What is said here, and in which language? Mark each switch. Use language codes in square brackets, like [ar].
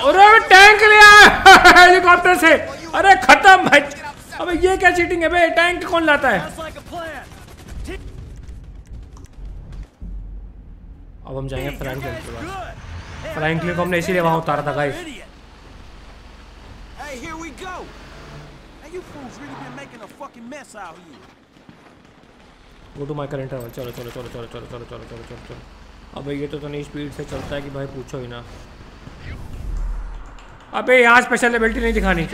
[hi] अरे टैंक ले आया हेलीकॉप्टर से. अरे खत्म भाई. अबे ये क्या चीटिंग है भाई? टैंक कौन लाता है? अब हम जाएंगे फ्रैंकलिन के पास. फ्रैंकलिन को हमने इसीलिए वहां उतारा था guys. [en] Hey, here we go. Hey, you fools really been making a fucking mess out here. [hi] वो तो माइकल इंटरवल. चलो चलो चलो चलो चलो चलो चलो चलो चलो चलो. अबे ये तो नहीं स्पीड से चलता है कि भाई पूछो ही ना. अबे यहाँ स्पेशल एबिलिटी नहीं दिखानी.